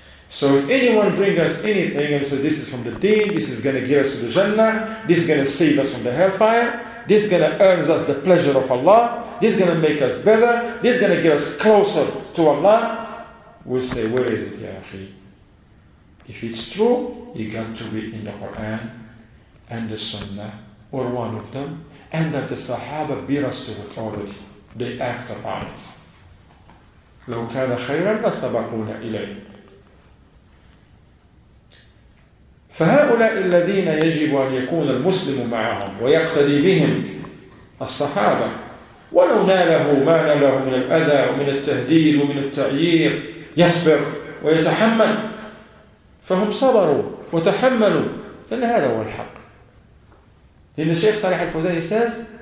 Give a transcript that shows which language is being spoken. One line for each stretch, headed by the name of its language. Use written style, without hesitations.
English: So if anyone brings us anything and says this is from the deen, this is going to get us to the Jannah, this is going to save us from the hellfire, this is going to earn us the pleasure of Allah, this is going to make us better, this is going to get us closer to Allah, we'll say, where is it,
Arabic: ya akhi?
English: If it's true, you got to read in the Quran and the Sunnah, or one of them, and that the Sahaba bear us to authority. They act upon it.
Arabic: لو كان خيرا لسبقونا إليه. فهؤلاء الذين يجب أن يكون المسلم معهم ويقتدي بهم الصحابة ولو ناله ما ناله من الأذى ومن التهديد ومن التعيير يصبر ويتحمل فهم صبروا وتحملوا لأن هذا هو الحق لأن الشيخ صالح الفوزاني
English: says